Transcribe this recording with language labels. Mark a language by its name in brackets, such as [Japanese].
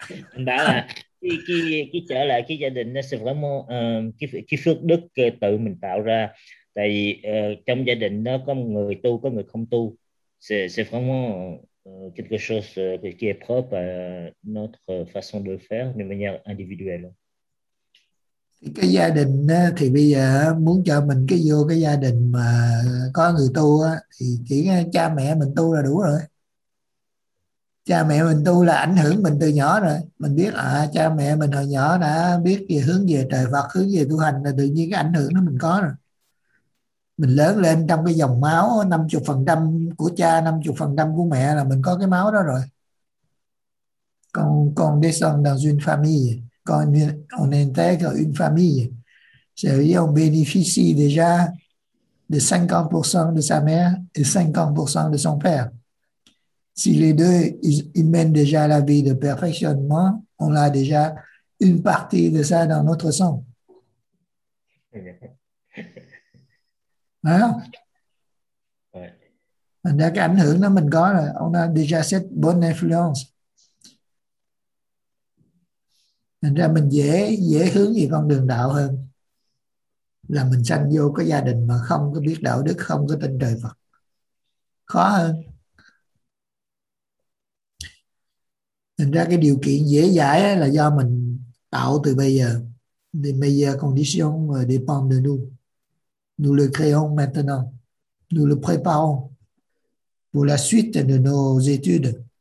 [Vietnamese] Anh bảo là khi trở lại cái gia đình nó sẽ phải mua cái phước đức tự mình tạo ra. Tại vì trong gia đình nó có người tu, có người không tu. [French] C'est vraiment quelque chose qui est propre à notre façon de faire de manière individuelle. [Vietnamese] Cái gia đình thì bây giờ muốn cho mình cái vô cái gia đình mà có người tu thì chỉ cha mẹ mình tu là đủ rồi. Cha mẹ mình tu là ảnh hưởng mình từ nhỏ rồi. Mình biết cha mẹ mình hồi nhỏ đã biết về hướng về trời Phật, hướng về tu hành, là tự nhiên cái ảnh hưởng đó mình có rồi. mình lớn lên trong cái dòng máu 50% của cha, 50% của mẹ là mình có cái máu đó rồi. [French] Con descend dans une famille, on intègre une famille, c'est-à-dire on bénéficie déjà de 50% de sa mère et 50% de son père. Si les deux ils mènent déjà la vie de perfectionnement, on a déjà une partie de ça dans notre sang. Hein? [Vietnamese] Mình đã cái ảnh hưởng đó mình có rồi, [French] on a déjà cette bonne influence. [Vietnamese] Thành ra mình dễ dễ hướng về con đường đạo hơn là mình sanh vô cái gia đình mà không có biết đạo đức, không có tin trời Phật, khó hơn. Thành ra cái điều kiện dễ dãi là do mình tạo từ bây giờ. [French] Les meilleures conditions dépendent de nous. Nous le créons maintenant. Nous le préparons pour la suite de nos études.